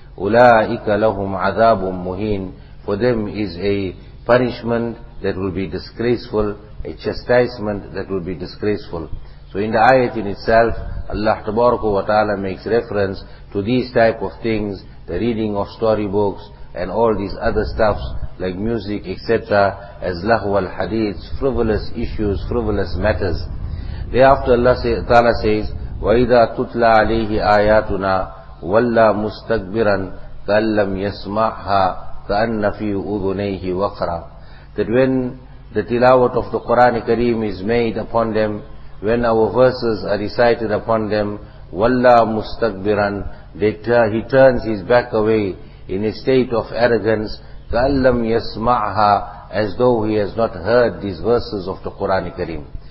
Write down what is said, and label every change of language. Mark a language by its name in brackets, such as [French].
[Arabic] أُولَٰئِكَ لَهُمْ عَذَابٌ مُهِينٌ, [English] for them is a punishment that will be disgraceful, a chastisement that will be disgraceful. So in the ayat in itself, Allah tabaraka wa ta'ala makes reference to these type of things, the reading of storybooks, and all these other stuffs like music, etc., as lahw al hadith, frivolous issues, frivolous matters. Thereafter Allah says, [Arabic] وَإِذَا تُتْلَى عَلَيْهِ آيَاتُنَا وَلَّا مُسْتَكْبِرًا كَأَلَّمْ يَسْمَعْهَا كَأَنَّ فِي أُذُنَيْهِ وَقْرًا. [English] That when the tilawat of the Qur'an Kareem is made upon them, when our verses are recited upon them, [Arabic] وَلَّا مُسْتَكْبِرًا, [English] he turns his back away in a state of arrogance, [Arabic] كَأَلَّمْ يَسْمَعْهَا, [English] as though he has not heard these verses of the Qur'an Kareem.